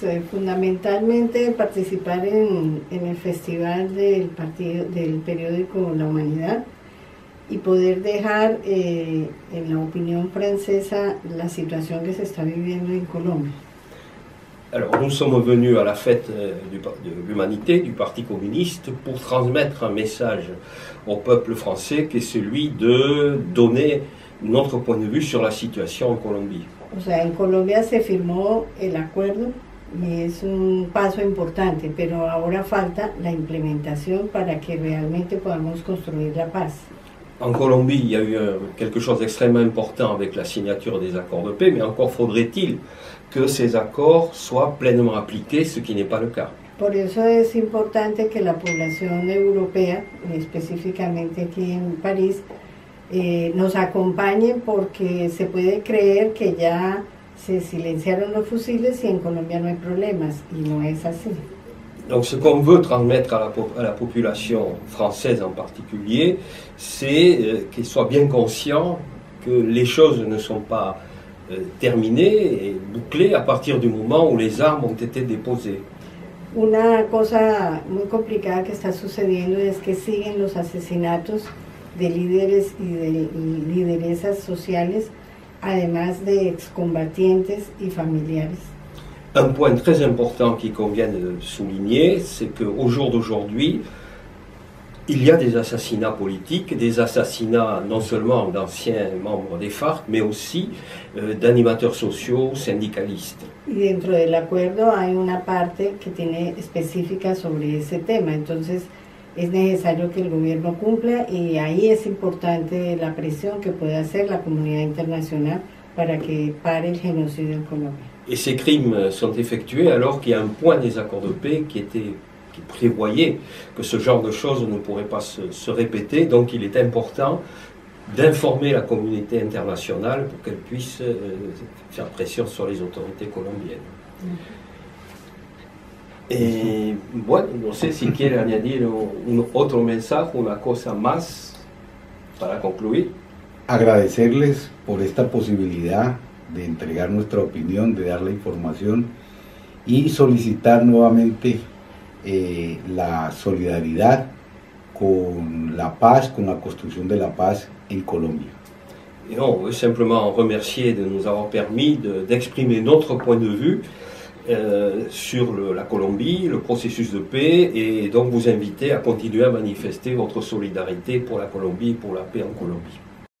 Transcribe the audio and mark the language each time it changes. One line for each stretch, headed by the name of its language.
Spanish: Fundamentalmente participar en el festival del partido del periódico La Humanidad y poder dejar en la opinión francesa la situación que se está viviendo en Colombia.
French: Alors, nous sommes venus à la fête de l'humanité, du Parti communiste, pour transmettre un message au peuple français qui est celui de donner notre point de vue sur la situation en Colombie.
Spanish: O sea, en Colombia se firmó el acuerdo y es un paso importante, pero ahora falta la implementación para que realmente podamos construir la paz.
French: En Colombie, il y a eu quelque chose d'extrêmement important avec la signature des accords de paix, mais encore faudrait-il que ces accords soient pleinement appliqués, ce qui n'est pas le cas.
Spanish: Por eso es importante que la población europea, específicamente aquí en París, nos acompañe porque se puede creer que ya se silenciaron los fusiles y en Colombia no hay problemas, y no es así.
French: Donc ce qu'on veut transmettre à la population française en particulier, c'est qu'ils soient bien conscients que les choses ne sont pas terminées et bouclées à partir du moment où les armes ont été déposées.
Spanish: Una cosa muy complicada que está sucediendo es que siguen los asesinatos de líderes y de lideresas sociales, además de excombatientes y familiares.
French: Un point très important qu'il convient de souligner, c'est qu'au jour d'aujourd'hui, il y a des assassinats politiques, des assassinats non seulement d'anciens membres des FARC, mais aussi d'animateurs sociaux, syndicalistes.
Spanish: Y dentro del acuerdo hay una parte que tiene específica sobre ese tema. Entonces, es necesario que el gobierno cumpla y ahí es importante la presión que puede hacer la comunidad internacional para que pare el genocidio en Colombia.
French: Et ces crimes sont effectués alors qu'il y a un point des accords de paix qui prévoyait que ce genre de choses ne pourrait pas se répéter. Donc il est important d'informer la communauté internationale pour qu'elle puisse faire pression sur les autorités colombiennes.
Spanish: Et bueno, no sé si quiere añadir un otro mensaje, una cosa más, para concluir. Agradecerles por esta posibilidad de entregar nuestra opinión, de dar la información y solicitar nuevamente la solidaridad con la paz, con la construcción de la paz en Colombia.
French: Y on veut simplement remercier de nous avoir permis d'exprimer notre point de vue sur la Colombie, le processus de paix, et donc vous inviter à continuer à manifester votre solidarité pour la Colombie, pour la paix en Colombie.